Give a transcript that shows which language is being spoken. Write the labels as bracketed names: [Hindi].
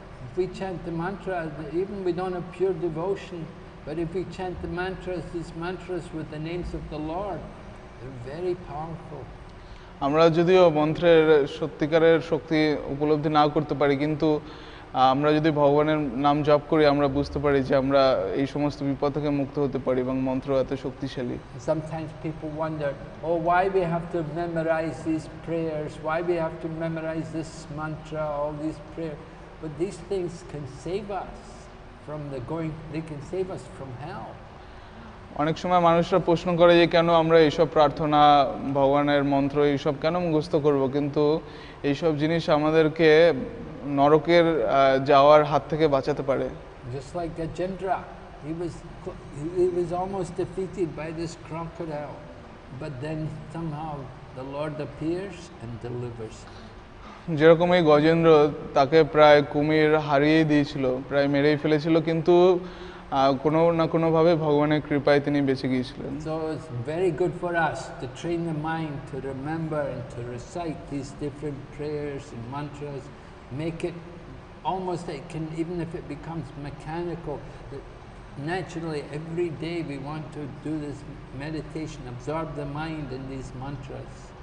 [English] If we chant the mantras, even we don't have pure devotion, but if we chant the mantras, these mantras with the names of the Lord, very powerful. [Bangla] আমরা যদিও মন্ত্রের সত্যিকারের শক্তি উপলব্ধি না করতে পারি কিন্তু আমরা যদি ভগবানের নাম জপ করি আমরা বুঝতে পারি যে আমরা এই সমস্ত বিপদ থেকে মুক্ত হতে পারি এবং মন্ত্র এত শক্তিশালী। [English] Sometimes people wonder, oh, why we have to memorize these prayers, why we have to memorize this mantra, all these prayers, but these things can save us from the going, they can save us from hell. [Bangla] অনেক সময় মানুষরা প্রশ্ন করে যে কেন আমরা এইসব প্রার্থনা ভগবানের মন্ত্র এইসব কেন মুখস্থ করব, কিন্তু এইসব জিনিস আমাদেরকে নরকের যাওয়ার হাত থেকে বাঁচাতে পারে। [English] Just like Gajendra, he was almost defeated by this crocodile, but then somehow the Lord appears and delivers. [Bangla] যেরকম এই গজেন্দ্র তাকে প্রায় কুমির হারিয়েই দিয়েছিল, প্রায় মেরেই ফেলেছিল কিন্তু কোনো না কোনো ভাবে ভগবানের কৃপায় তিনি বেঁচে গিয়েছিলেন। [English] So it's very good for us to train the mind to remember and to recite these different prayers and mantras, make it almost that it can, even if it becomes mechanical, that naturally every day we want to do this meditation, absorb the mind in these mantras.